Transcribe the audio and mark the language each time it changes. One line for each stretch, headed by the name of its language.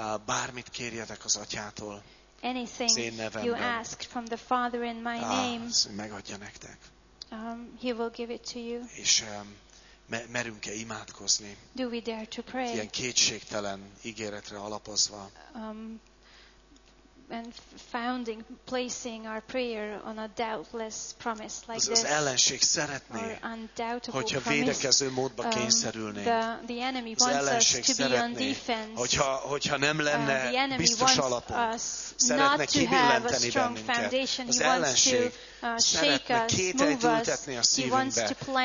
Hungarian: Bármit kérjetek az Atyától.
English: Anything
Hungarian: az én nevemben,
English: you ask from the Father in my name.
Hungarian: Megadja nektek.
English: He will give it to you.
Hungarian: És merünk-e imádkozni?
English: Do we dare to pray?
Hungarian: Ilyen kétségtelen ígéretre alapozva.
English: And founding, placing our prayer on a doubtless promise like this.
Hungarian: Az ellenség szeretné, hogyha védekező módba kényszerülnénk.
English: The enemy wants
Hungarian: az ellenség
English: us to
Hungarian: szeretné,
English: be on defense.
Hungarian: Hogyha nem lenne biztos alapon. Szeretne kibillenteni bennünket. Az ellenség szeretne kételyt ültetni a szívünkbe.